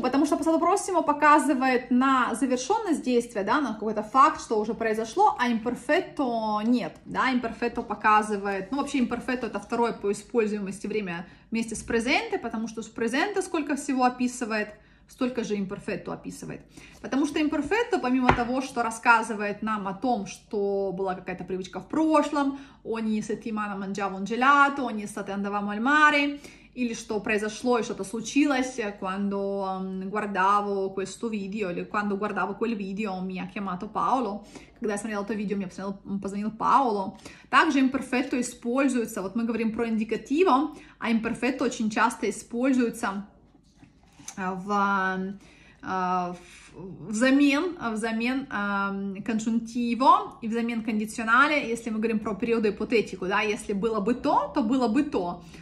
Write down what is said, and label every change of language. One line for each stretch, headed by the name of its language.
Russian: Потому что passato prossimo показывает на завершенность действия, да, на какой-то факт, что уже произошло, а imperfetto нет, да, imperfetto показывает, ну вообще imperfetto — это второе по используемости время вместе с presente, потому что с presente сколько всего описывает, столько же imperfetto описывает. Потому что imperfetto, помимо того, что рассказывает нам о том, что была какая-то привычка в прошлом,
Italian: ogni settimana mangiavo un gelato, ogni estate andavamo al mare,
Russian: или что произошло и что-то случилось,
Italian: quando guardavo questo video,
Russian: или
Italian: quando guardavo quel video, mi ha chiamato Paolo.
Russian: Когда я смотрела это видео, мне позвонил Паоло. Также imperfetto используется, вот мы говорим про индикативо, а imperfetto очень часто используется взамен конжунктиво и взамен кондиционале, если мы говорим про периоды ипотетику, да, если было бы то, то было бы то.